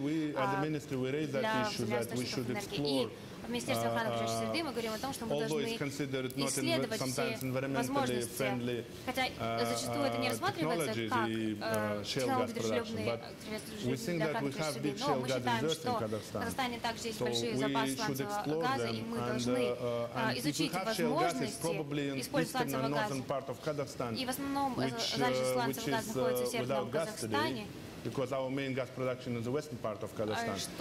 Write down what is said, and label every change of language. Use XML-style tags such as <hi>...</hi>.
<en>we as the minister, we raised that issue that we should explore.</en> <ru>В Министерстве охраны окружающей среды мы говорим о том, что мы должны исследовать все возможности, хотя зачастую это не рассматривается как технологии дружелюбные для охраны окружающей среды, но мы считаем, что в Казахстане также есть большие запасы сланцевого газа, и мы должны изучить возможности использовать сланцевого газа. И в основном залежи сланцевого газа находятся в Северном Казахстане.</ru> <en>Because our main gas production is the western part of Kazakhstan.</en>